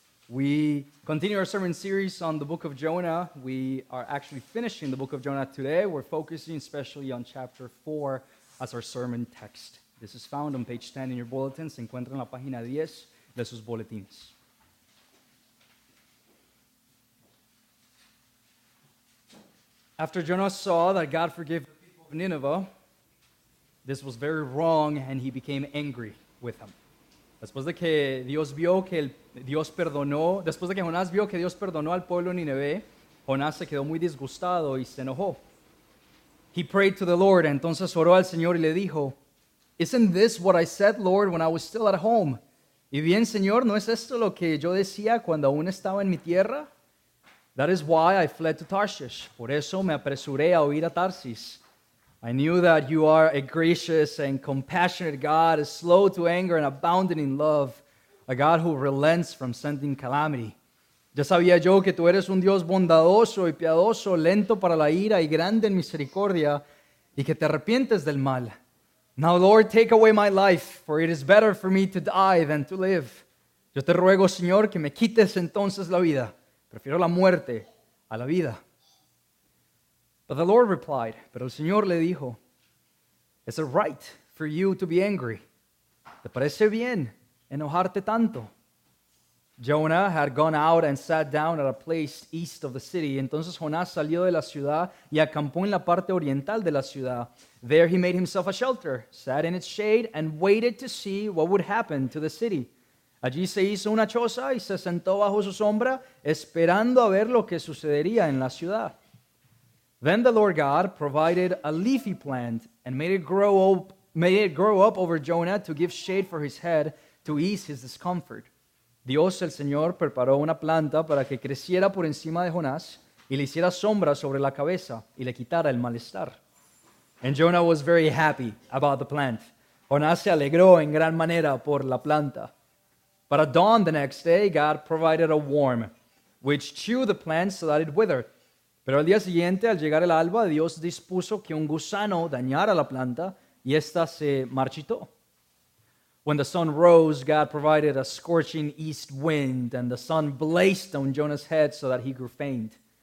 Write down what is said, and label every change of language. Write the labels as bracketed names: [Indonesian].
[English] We continue our sermon series on the book of Jonah. We are actually finishing the book of Jonah today. We're focusing especially on chapter 4 as our sermon text. This is found on page 10 in your bulletin. [Spanish] Se encuentra en la página 10 de sus boletines. [English] After Jonah saw that God forgave the people of Nineveh, this was very wrong, and he became angry with them. [Spanish] Después de que Dios vio que Dios perdonó, después de que Jonás vio que Dios perdonó al pueblo de Nineveh, Jonás se quedó muy disgustado y se enojó. [English] He prayed to the Lord, [Spanish] entonces oró al Señor y le dijo, [English] "Isn't this what I said, Lord, when I was still at home?" [Spanish] Y bien, Señor, ¿no es esto lo que yo decía cuando aún estaba en mi tierra? [English] That is why I fled to Tarshish. [Spanish] Por eso me apresuré a huir a Tarsis. [English] I knew that you are a gracious and compassionate God, slow to anger and abounding in love, a God who relents from sending calamity. [Spanish] Ya sabía yo que tú eres un Dios bondadoso y piadoso, lento para la ira y grande en misericordia, y que te arrepientes del mal. [English] Now, Lord, take away my life, for it is better for me to die than to live. [Spanish] Yo te ruego, Señor, que me quites entonces la vida. Prefiero la muerte a la vida. [English] But the Lord replied, [Spanish] pero el Señor le dijo, [English] is it right for you to be angry? [Spanish] ¿Te parece bien enojarte tanto? [English] Jonah had gone out and sat down at a place east of the city. [Spanish] Entonces Jonás salió de la ciudad y acampó en la parte oriental de la ciudad. [English] There he made himself a shelter, sat in its shade, and waited to see what would happen to the city. [Spanish] Allí se hizo una choza y se sentó bajo su sombra, esperando a ver lo que sucedería en la ciudad. [English] Then the Lord God provided a leafy plant and made it grow up over Jonah to give shade for his head to ease his discomfort. [Spanish] Dios, el Señor, preparó una planta para que creciera por encima de Jonás y le hiciera sombra sobre la cabeza y le quitara el malestar. [English] And Jonah was very happy about the plant. [Spanish] Jonás se alegró en gran manera por la planta. [English] But at dawn the next day, God provided a worm, which chewed the plant so that it withered. [Spanish] Pero al día siguiente, al llegar el alba, Dios dispuso que un gusano dañara la planta, y esta se marchitó. [English] When the sun rose, God provided a scorching east wind, and the sun blazed on Jonah's head so that he grew faint.